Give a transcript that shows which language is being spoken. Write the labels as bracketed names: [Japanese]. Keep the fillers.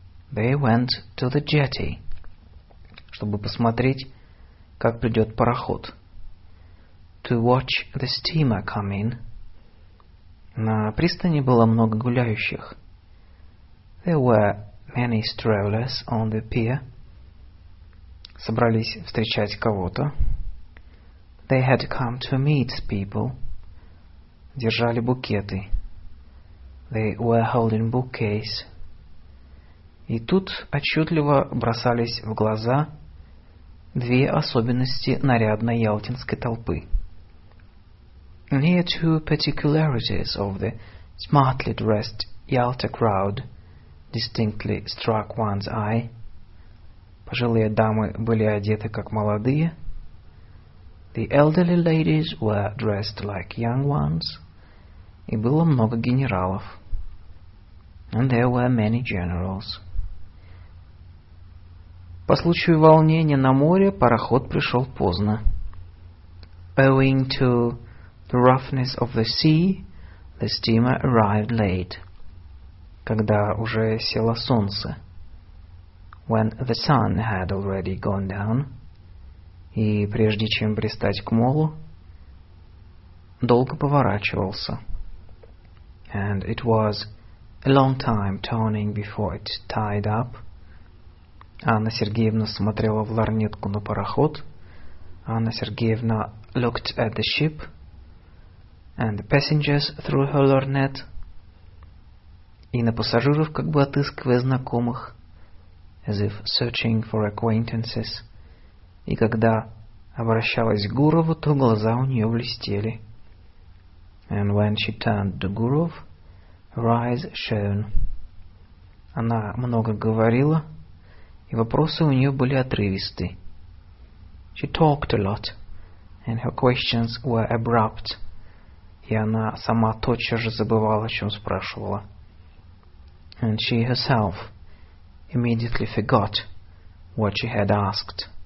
[English] They went to the jetty, To watch the steamer come in. [Russian] На пристани было много гуляющих. [English] There were many strollers on the pier. They had come to meet people. [Russian] держали букеты. [English] They were holding bouquets. [Russian] И тут отчетливо бросались в глаза две особенности нарядной ялтинской толпы. [English] Near two particularities of the smartly dressed Yalta crowd distinctly struck one's eye. [Russian] Пожилые дамы были одеты как молодые. [English] The elderly ladies were dressed like young ones. [Russian] — и было много генералов. [English] And there were many generals. [Russian] По случаю волнения на море пароход пришел поздно. [English] Owing to the roughness of the sea, the steamer arrived late. [Russian] Когда уже село солнце. [English] When the sun had already gone down. [Russian] И прежде чем пристать к молу, долго поворачивался. [English] and it was a long time turning before it tied up. [Russian] Анна Сергеевна смотрела в ларнетку на пароход. [English] looked at the ship and the passengers through her lorgnette. [Russian] И на пассажиров, как бы отыскивая знакомых, [English] as if searching for acquaintances. [Russian] И когда обращалась к Гурову, то глаза у нее блестели. [English] And when she turned to Gurov, rise shown. [Russian] Она много говорила, и вопросы у нее были отрывисты. [English] She talked a lot, and her questions were abrupt. [Russian] И она сама тотчас же забывала, о чем спрашивала. [English] And she herself immediately forgot what she had asked.